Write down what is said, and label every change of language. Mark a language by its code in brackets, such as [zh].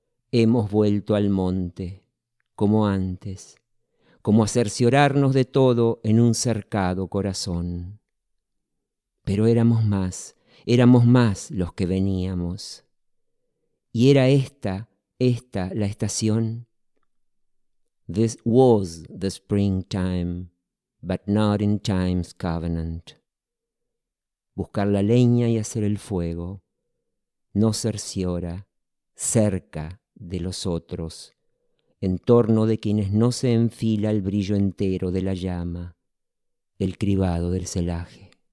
[es] Hemos vuelto al monte, como antes, como a cerciorarnos de todo en un cercado corazón. Pero éramos más los que veníamos. Y era esta la estación. [en] This was the springtime, but not in time's covenant. [es] Buscar la leña y hacer el fuego. No cerciora, cerca de los otros, en torno de quienes no se enfila el brillo entero de la llama, el cribado del celaje.